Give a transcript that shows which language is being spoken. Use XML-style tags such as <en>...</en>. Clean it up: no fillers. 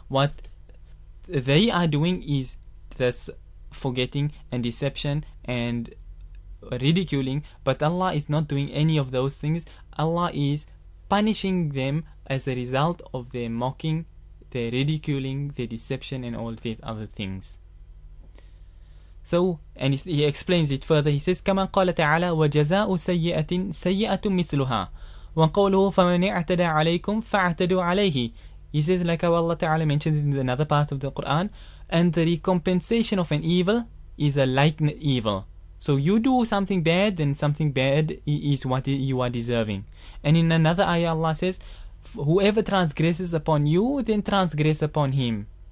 <en>What they are doing is this forgetting and deception and ridiculing, but Allah is not doing any of those things. Allah is punishing them as a result of their mocking, their ridiculing, their deception and all these other things. So, and he explains it further. He says,</en> <ar>كما قال تعالى وجزاء سيئة سيئة مثلها وقوله فمن اعتدى عليكم فاعتدوا عليه.</ar> <en>He says, like how Allah Ta'ala mentions in another part of the Quran, and the recompensation of an evil is a like evil. So you do something bad, then something bad is what you are deserving. And in another ayah, Allah says, whoever transgresses upon you, then transgress upon him.</en>